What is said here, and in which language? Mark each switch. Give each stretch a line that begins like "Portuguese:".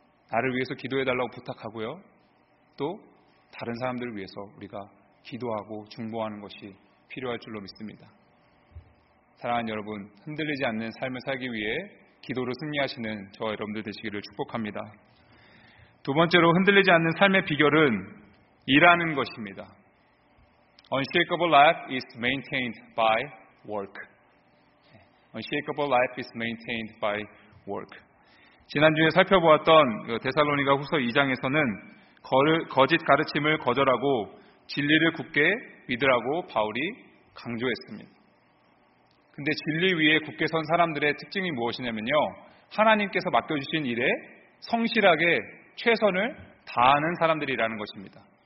Korean: 나를 위해서 기도해 달라고 부탁하고요, 또 다른 사람들을 위해서 우리가 기도하고 중보하는 것이 필요할 줄로 믿습니다. 사랑하는 여러분, 흔들리지 않는 삶을 살기 위해 기도로 승리하시는 저 여러분들 되시기를 축복합니다. 두 번째로 흔들리지 않는 삶의 비결은 일하는 것입니다.
English: Unshakable life is maintained by work. Unshakable life is maintained by work.
Korean: 지난주에 살펴보았던 데살로니가 후서 2장에서는 거짓 가르침을 거절하고 진리를 굳게 믿으라고 바울이 강조했습니다. 근데 진리 위에 굳게 선 사람들의 특징이 무엇이냐면요, 하나님께서 맡겨주신 일에 성실하게 최선을 다하는 사람들이라는 것입니다.